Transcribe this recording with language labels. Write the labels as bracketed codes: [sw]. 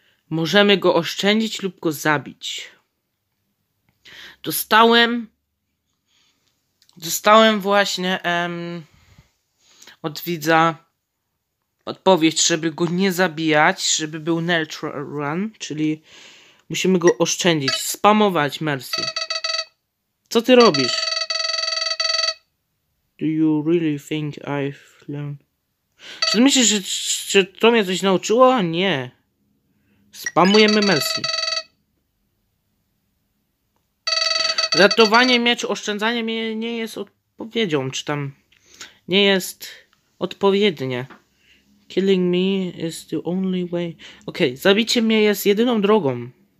[pl] Możemy go oszczędzić lub go zabić. Dostałem właśnie od widza odpowiedź, żeby go nie zabijać, żeby był neutral run, czyli musimy go oszczędzić, spamować mercy. Co ty robisz? [en] Do you really think I've learned? [pl] Czy ty myślisz, że to mnie coś nauczyło? Nie. Spamujemy mercy. Ratowanie mieczu, oszczędzanie mnie nie jest odpowiedzią, czy tam nie jest odpowiednie. [en] Killing me is the only way. [pl] Okej, okay, zabicie mnie jest jedyną drogą.